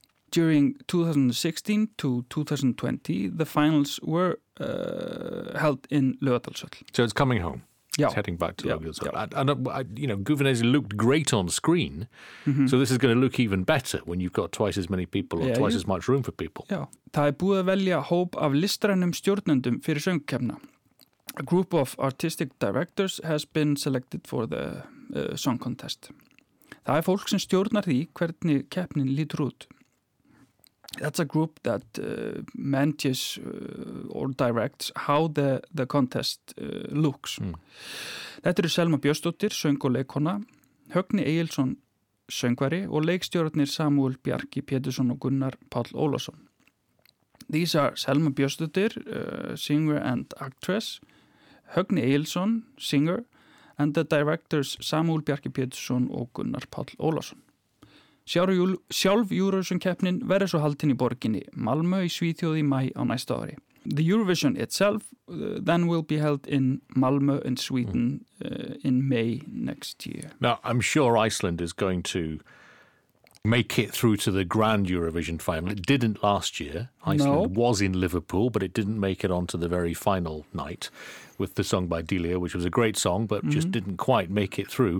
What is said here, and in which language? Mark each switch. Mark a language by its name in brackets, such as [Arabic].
[English] During 2016 to 2020, the finals were held in Laugardalshöll. So it's coming home. Yeah. It's heading back to Laugardalshöll. Yeah. And you know, Gufunes looked great on screen, mm-hmm. so this is going to look even better when you've got twice as many people or twice as much room for people. [Icelandic] Já, það er búið að velja hóp af listrænum stjórnendum fyrir söngkeppna. [English] A group of artistic directors has been selected for the song contest. [Icelandic] Það er fólk sem stjórnar því hvernig keppnin lítur út. [English] That's a group that manages or directs how the contest looks. [Icelandic] Mm. Þetta eru Selma Björnsdóttir, söng- og leikkona, Högni Egilsson, söngvari og leikstjórarnir Samuel Bjarki Pétursson og Gunnar Páll Ólafsson. [English] These are Selma Björnsdóttir, singer and actress, Högni Egilsson, singer, and the directors Samuel Bjarki Pétursson og Gunnar Páll Ólafsson. [Icelandic] Sjálf Eurovision keppnin verður svo haldin í borginni Malmö í Svíþjóð í maí á næsta ári. [English] The Eurovision itself then will be held in Malmö in Sweden in May next year. Now, I'm sure Iceland is going to make it through to the grand Eurovision final. It didn't last year. Iceland was in Liverpool, but it didn't make it onto the very final night with the song by Delia, which was a great song, but just didn't quite make it through.